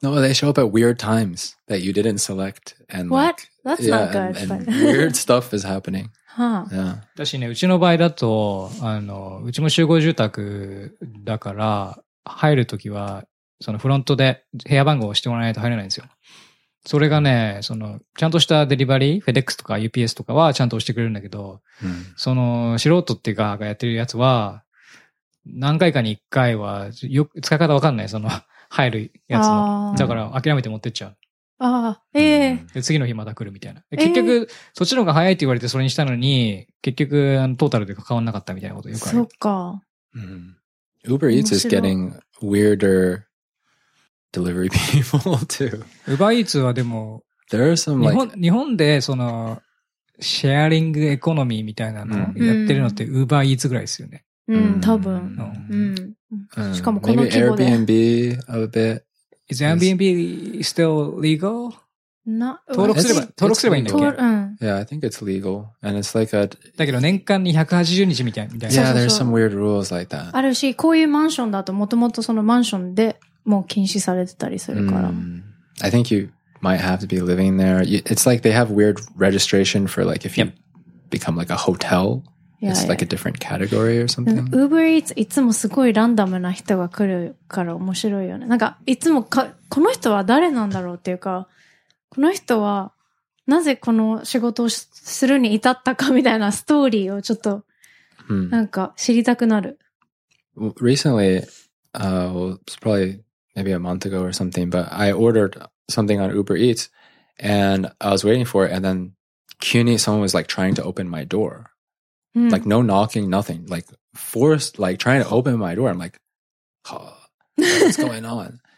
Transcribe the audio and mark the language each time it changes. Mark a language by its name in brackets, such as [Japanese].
[English] No, they show up at weird times that you didn't select. And what? Like, that's not good. And weird stuff is happening. Huh. Yeah. [Japanese] 私ね、うちの場合だと、うちも集合住宅だから、入るときは、そのフロントで部屋番号を押してもらわないと入れないんですよ。それがね、その、ちゃんとしたデリバリー、FedEx とか UPS とかはちゃんと押してくれるんだけど、うん、その、素人っていうか、がやってるやつは、何回かに1回は、よく、使い方わかんない、その、入るやつの。だから、諦めて持ってっちゃう。ああ、ええー。で、次の日また来るみたいな。結局、そっちの方が早いって言われてそれにしたのに、結局、トータルで関わんなかったみたいなことよくある。そっか。 [English] うん。Uber Eats is getting weirder. Delivery people too. [Japanese] Uber Eats はでも、 [English] there are some like, [Japanese] 日本でそのシェアリングエコノミーみたいなのをやってるのって Uber Eats ぐらいですよね。多分。うん。しかもこの規模で。 [English] Maybe Airbnb a bit. Is Airbnb still legal? Not. [Japanese] 登録すればいいんだっけ？ [English] Yeah, I think it's legal, and it's like a. [Japanese] だけど年間に180日みたいな。 [English] Yeah, there's some weird rules like that. [Japanese] あるし、こういうマンションだともともとそのマンションで。もう禁止されてたりするから。 [English] I think you might have to be living there. It's like they have weird registration for like if you become like a hotel. Yeah, it's like a different category or something. [Japanese] Uber Eats いつもすごいランダムな人が来るから面白いよね。なんかいつもこの人は誰なんだろうっていうか、この人はなぜこの仕事をするに至ったかみたいなストーリーをちょっとなんか知りたくなる。 [English] Recently,it's probably maybe a month ago or something, but I ordered something on Uber Eats and I was waiting for it. And then CUNY, someone was like trying to open my door, like no knocking, nothing, like forced, like trying to open my door. I'm like, oh, what's going on?